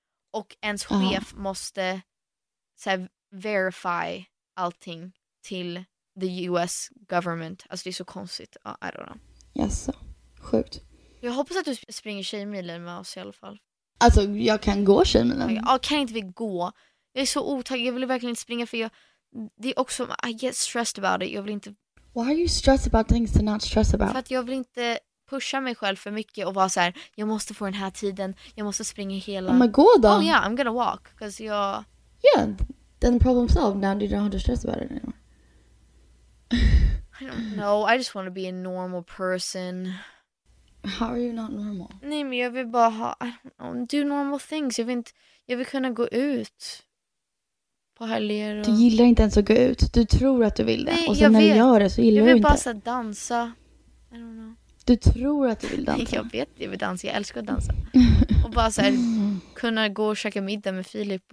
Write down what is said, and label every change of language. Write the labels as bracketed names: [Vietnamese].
[Swedish] och ens chef måste så här, verify allting till [English] the US government. [Swedish] Alltså det är så konstigt. [English] Ja, I don't know. [Swedish] Jaså, sjukt. Jag hoppas att du springer tjejmilen med oss i alla fall. Alltså jag kan gå tjejmilen. Ja, kan inte vi gå? Jag är så otaggad, jag vill verkligen inte springa, för jag, det är också, [English] I get stressed about it. [Swedish] Jag vill inte. [English] Why are you stressed about things to not stress about? [Swedish] För att jag vill inte pusha mig själv för mycket och vara så här, jag måste få den här tiden, jag måste springa hela. [English] Oh my god, då. Oh yeah, I'm gonna walk. Because jag. Yeah, then problem solved. Now you don't have to stress about it anymore. I don't know, I just want to be a normal person. How are you not normal? [Swedish] Nej, men jag vill bara ha, [English] I don't know, do normal things. [Swedish] Jag vill inte, jag vill kunna gå ut. Och... Du gillar inte ens att gå ut. Du tror att du vill det. Nej, och sen när du gör det så gillar du inte. Jag vill bara dansa. [English] I don't know. [Swedish] Du tror att du vill dansa. Jag vet, jag vill dansa. Jag älskar att dansa. Och bara så här, kunna gå och käka middag med Filip.